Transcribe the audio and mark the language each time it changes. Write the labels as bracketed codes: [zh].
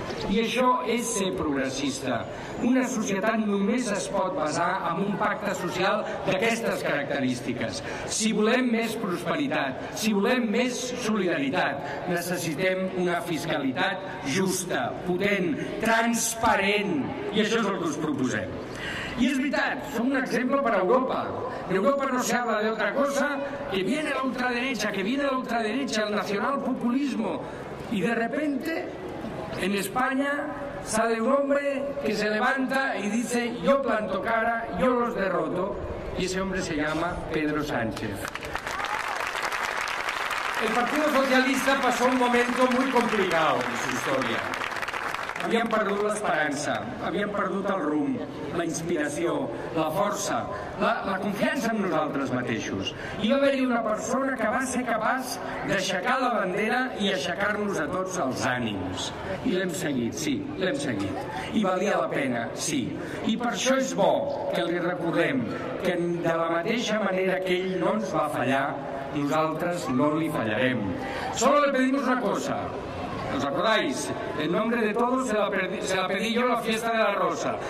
[ca] I això és ser progressista. Una societat només es pot basar en un pacte social d'aquestes característiques. Si volem més prosperitat, si volem més solidaritat, necessitem una fiscalitat justa, potent, transparent. I això és el que us proposem. I és veritat, som un exemple per a Europa. [es] En Europa no se habla de otra cosa que viene la ultraderecha, que viene la ultraderecha, el nacionalpopulismo. I de repente, en España sale un hombre que se levanta y dice, yo planto cara, yo los derroto, y ese hombre se llama Pedro Sánchez. El Partido Socialista pasó un momento muy complicado en su historia. [ca] Havien perdut l'esperança, havien perdut el rumb, la inspiració, la força, la confiança en nosaltres mateixos. I va haver-hi una persona que va ser capaç d'aixecar la bandera i aixecar-nos a tots els ànims. I l'hem seguit, sí, l'hem seguit. I valia la pena, sí. I per això és bo que li recordem que de la mateixa manera que ell no ens va fallar, nosaltres no li fallarem. [es] Solo le pedimos una cosa. ¿Os acordáis? En nombre de todos se la pedí yo la fiesta de la Rosa.